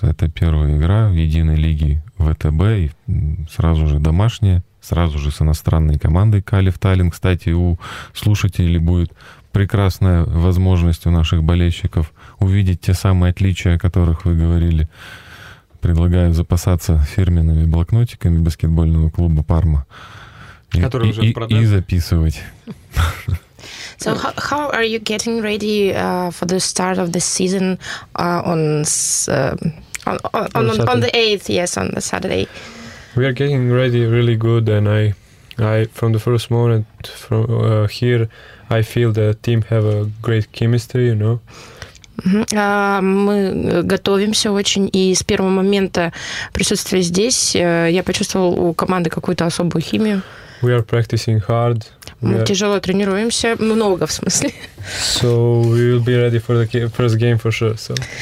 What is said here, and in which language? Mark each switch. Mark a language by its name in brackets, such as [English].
[Russian] Это первая игра в единой лиге ВТБ, и сразу же домашняя, сразу же с иностранной командой Калиф Таллин. Кстати, у слушателей будет прекрасная возможность, у наших болельщиков, увидеть те самые отличия, о которых вы говорили. Предлагаю запасаться фирменными блокнотиками баскетбольного клуба «Парма». И записывать. [English] So how are you getting ready for the start of the season on the 8th? Yes, on the Saturday. We are getting ready really good, and I from the first moment from here, I feel the team have a great chemistry, you know. [Russian] Мы готовимся очень, и с первого момента присутствия здесь я почувствовал у команды какую-то особую химию. [English] We are practicing hard. [Russian] Мы тяжело тренируемся, много в смысле. [English] So we will be ready for the first game for sure. So.